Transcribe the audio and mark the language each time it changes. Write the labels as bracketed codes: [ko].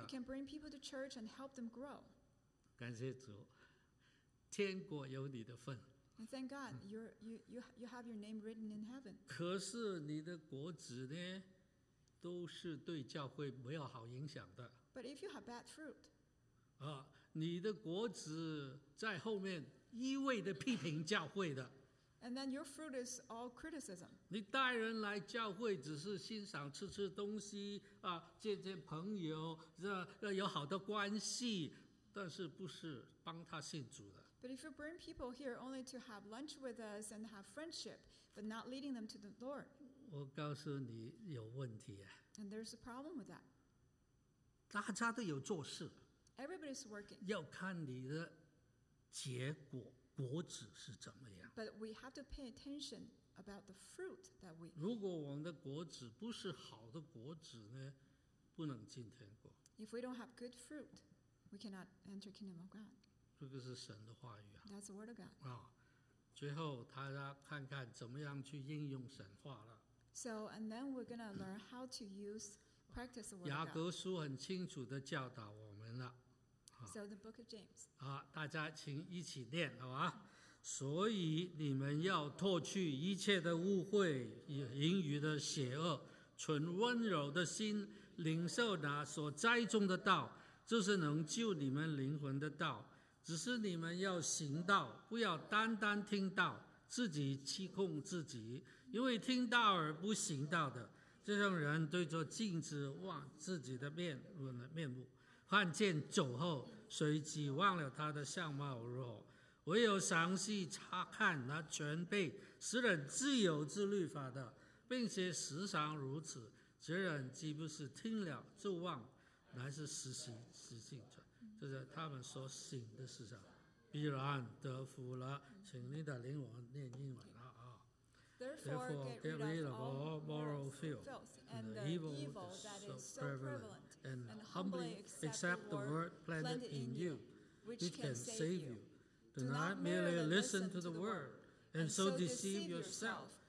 [en] You can bring people to church and help them grow. [zh] 感谢主，天国有你的份。 [en] And thank God, you have your name written in heaven. [zh] 可是你的果子呢，都是对教会没有好影响的。 [en] But if you have bad fruit, [zh] 你的果子在后面一味的批评教会的。 [en] And then your fruit is all criticism. [zh] 你带人来教会只是欣赏吃吃东西啊，见见朋友，有好的关系，但是不是帮他信主的。 [en] But if you bring people here only to have lunch with us and have friendship, but not leading them to the Lord. [zh] 我告诉你有问题啊。 [en] And there's a problem with that. [zh] 大家都有做事。 [en] Everybody's working. [zh] 要看你的结果。果子是怎么样？ [en] But we have to pay attention about the fruit that we. [zh] 如果我们的果子不是好的果子呢，不能进天国。 [en] If we don't have good fruit, we cannot enter kingdom of God. [zh] 这个是神的话语啊。 [en] That's the word of God. [zh] 最后大家看看怎么样去应用神话了。 [en] So and then we're gonna learn how to use practice the word. [zh] 雅各书很清楚的教导我们了。 [en] So the book of James. [zh] 大家请一起念，好吧？所以你们要脱去一切的污秽、淫欲的邪恶，存温柔的心，领受那所栽种的道，就是能救你们灵魂的道。只是你们要行道，不要单单听道，自己欺控自己，因为听道而不行道的，这种人对着镜子望自己的面目。看见走后，随即忘了他的相貌如何。唯有详细查看那全备使人自由之律法的，并且时常如此，这人既不是听了就忘，乃是实行实行者。这是他们所行的事上，必然得福了。请你的灵魂念英文了。 [en] Therefore, get rid of all moral filth and the evil that is so prevalent, and humbly accept the word planted in you, which can save you. Do not merely listen to the word, and so deceive yourself.